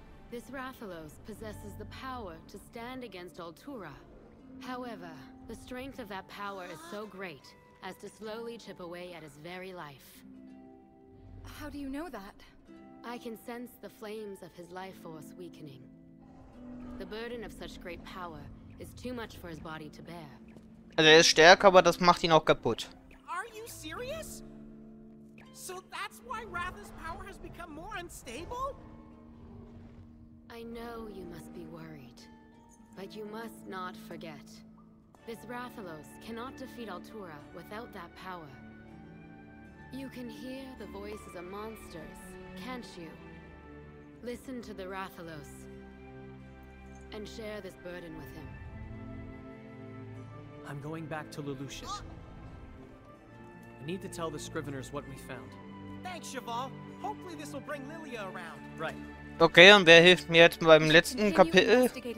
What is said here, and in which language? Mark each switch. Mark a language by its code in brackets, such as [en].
[en] This Rathalos possesses the power to stand against Altura. However, the strength of that power is so great as to slowly chip away at his very life. How do you know that? I can sense the flames of his life force weakening. The burden of such great power is too much for his body to bear. [de] Also er ist stärker, aber das macht ihn auch kaputt. [en] Are you serious? So that's why Rath's power has become more unstable? I know you must be worried, but you must not forget. This Rathalos cannot defeat Altura without that power. You can hear the voices of monsters, can't you? Listen to the Rathalos and share this burden with him. I'm going back to Lelouchian. I need to tell the Scriveners what we found. Thanks, Cheval. Hopefully this will bring Lilia around. Right. [de] Okay, und wer hilft mir jetzt beim letzten Kapitel?